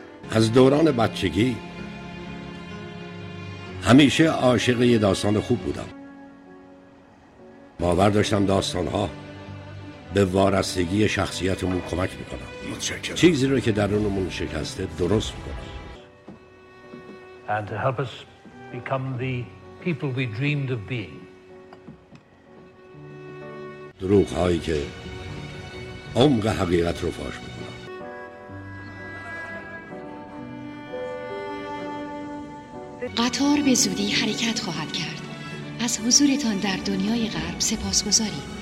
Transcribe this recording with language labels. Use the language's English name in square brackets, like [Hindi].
[Persian] از دوران بچگی همیشه عاشق یه داستان خوب بودم. باور داشتم داستانها به وارستگی شخصیتمون کمک میکنم. متشکرم. چیزی رو که درونمون شکسته درست میکنم. [English] And help us become the people we dreamed of being. [Persian] دروغ هایی که عمق حقیقت رو فاش میکنن. قطار به زودی حرکت خواهد کرد. از حضورتان در دنیای غرب سپاسگزاریم.